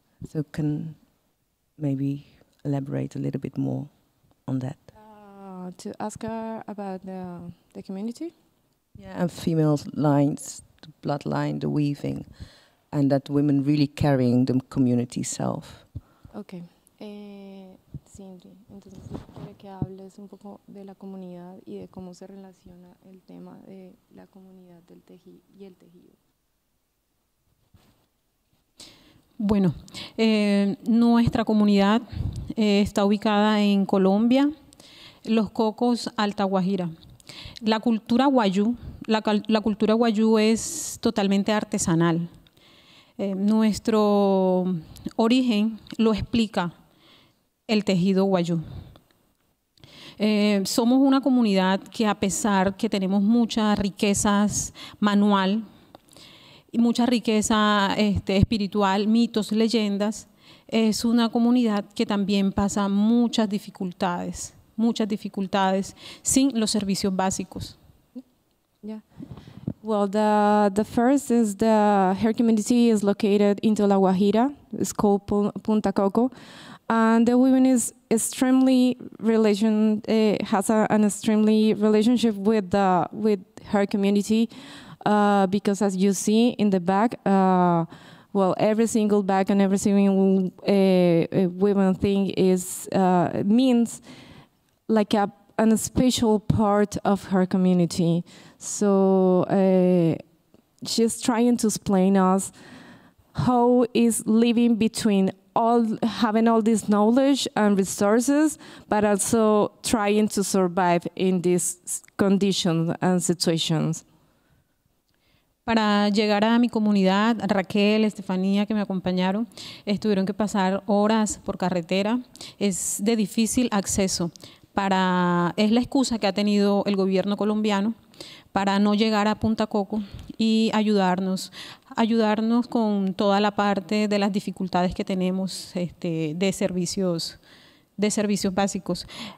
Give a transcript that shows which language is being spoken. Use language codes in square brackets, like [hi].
[en] So can maybe elaborate a little bit more on that. To ask her about the community? Yeah, and female lines, the bloodline, the weaving, and that women really carrying the community self. Okay. [es] Sindri, entonces, quiero que hables un poco de la comunidad y de cómo se relaciona el tema de la comunidad del tejido y el tejido. Bueno, nuestra comunidad está ubicada en Colombia, Los Cocos, Alta Guajira. La cultura Wayuu, la cultura Wayuu es totalmente artesanal. Nuestro origen lo explica el tejido Wayuu. Somos una comunidad que, a pesar que tenemos muchas riquezas manual, mucha riqueza espiritual, mitos, leyendas, es una comunidad que también pasa muchas dificultades sin los servicios básicos. [en] Yeah. Well, the first is the her community is located in La Guajira, it's called Punta Coco, and the women is extremely relation has an extremely relationship with the with her community. Because as you see in the back, well, every single bag and every single woman thing is means like a special part of her community. So she's trying to explain us how is living between all having all this knowledge and resources, but also trying to survive in these conditions and situations. [es] Para llegar a mi comunidad, Raquel, Estefanía, que me acompañaron, tuvieron que pasar horas por carretera. Es de difícil acceso. Es la excusa que ha tenido el gobierno colombiano para no llegar a Punta Coco y ayudarnos con toda la parte de las dificultades que tenemos de servicios básicos.